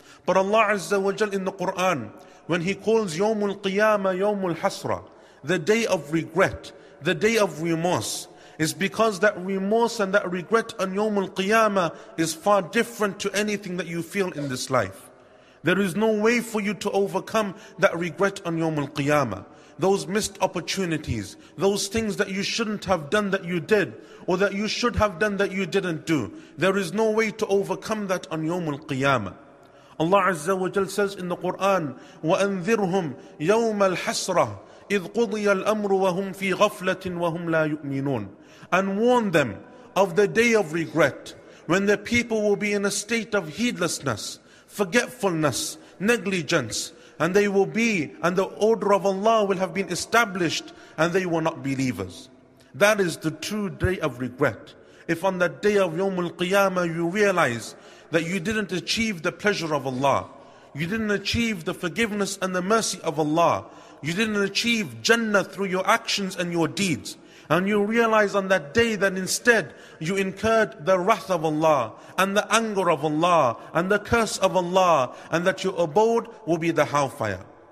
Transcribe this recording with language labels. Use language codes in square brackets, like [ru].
[en] But Allah Azza wa Jal in the Quran, when He calls Yawm al-Qiyamah Yawm al-Hasra, the day of regret, the day of remorse, is because that remorse and that regret on Yawm al-Qiyamah is far different to anything that you feel in this life. There is no way for you to overcome that regret on Yawm al-Qiyamah. those missed opportunities, those things that you shouldn't have done that you did, or that you should have done that you didn't do. There is no way to overcome that on Yawmul Qiyamah. Allah Azza wa Jal says in the Quran, [ar] وَأَنذِرْهُمْ يَوْمَ الْحَسْرَةِ إِذْ قُضِيَ الْأَمْرُ وَهُمْ فِي غَفْلَةٍ وَهُمْ لَا يُؤْمِنُونَ. [en] And warn them of the day of regret, when the people will be in a state of heedlessness, forgetfulness, negligence, and they will be, and the order of Allah will have been established, and they were not believers. That is the true day of regret. If on that day of Yawmul Qiyamah you realize that you didn't achieve the pleasure of Allah, you didn't achieve the forgiveness and the mercy of Allah, you didn't achieve Jannah through your actions and your deeds, and you realize on that day that instead you incurred the wrath of Allah and the anger of Allah and the curse of Allah, and that your abode will be the hellfire.